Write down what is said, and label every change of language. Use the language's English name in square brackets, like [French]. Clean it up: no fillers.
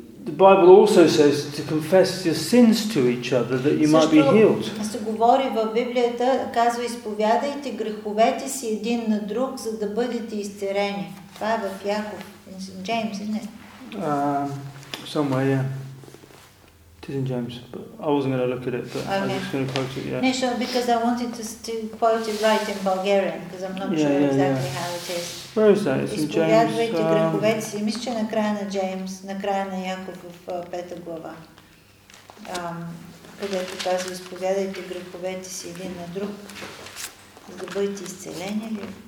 [English] The Bible also says to confess your sins to each other that you might be healed. [Bulgarian] Се говори в Библията, казва, изповядайте греховете си един на друг, за да бъдете изцерени. Това е в Яков, Джеймс, не? [English] Somewhere, yeah. It's in James, but I wasn't going to look at it, but okay. I'm just going to quote it, yeah. No, sure, because I wanted to still quote it right in Bulgarian, because I'm not sure exactly how it is. Where is that? It's in James. [Bulgarian] Греховете си. Мисля, че накрая на Джеймс, накрая на Яков в пета глава. Където казва, изповядайте греховете си един на друг, за да бъдете изцелени.